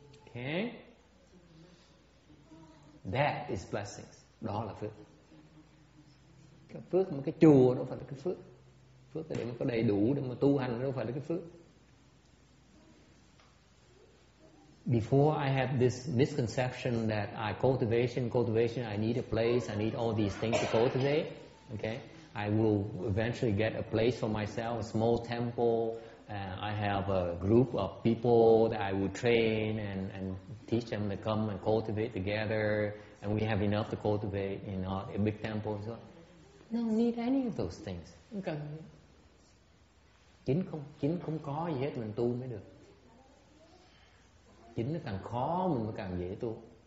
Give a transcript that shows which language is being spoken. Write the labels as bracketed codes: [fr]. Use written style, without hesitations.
[en] Okay. That is blessings. [vi] Đó là phước. Cái phước mà cái chùa đâu phải là cái phước. Phước là để mà có đầy đủ để mà tu hành đâu phải là cái phước. [en] Before I have this misconception that I cultivation, I need a place, I need all these things to cultivate. Okay. I will eventually get a place for myself, a small temple. I have a group of people that I would train and teach them to come and cultivate together, and we have enough to cultivate in a big temple. So, don't need any of those things. [vi] Không cần. Chính không có gì hết mình tu mới được. Chính nó càng khó mình mới càng dễ tu.